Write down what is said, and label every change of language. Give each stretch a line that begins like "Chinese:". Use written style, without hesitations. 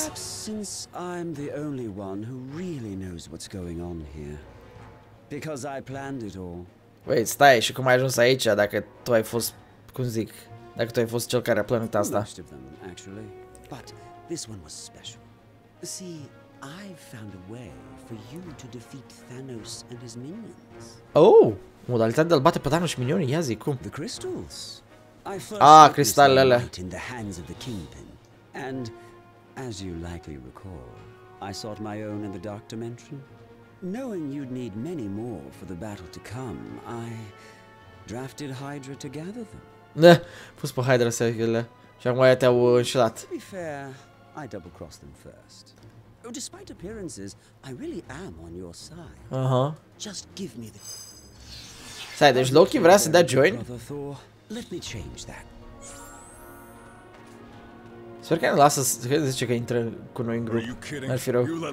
English: Perhaps since I'm the only one who really knows what's going on here. Because I planned it all.
Romanian: Wait, stai, și cum ai ajuns aici dacă tu ai fost, cum zic, dacă tu ai fost cel care a plănuit asta?
English: Most of them, actually. But this one was special. See, I found a way for you to defeat Thanos and his minions.
Romanian: Oh, modalitatea de a-l bate pe Thanos și minionii, ia zic, cum?
English: The crystals.
Romanian: Ah, cristalele.
English: In the hands of the Kingpin. And, as you likely recall, I sought my own in the Dark Dimension. Knowing you'd need many more for the battle to come, I drafted Hydra to gather them.
Romanian: Neh, pus pe Hydra să le. Și acum aia te-au înșelat.
English: To be fair, I double-crossed them first. Oh, despite appearances, I really am on your side. Uh-huh. Just give me the...
Romanian: Stai, deci Loki vrea să dea join?
English: Let me change that.
Romanian: Sper că ne lasă să zice că intră cu noi în grup. N-ar fi rău.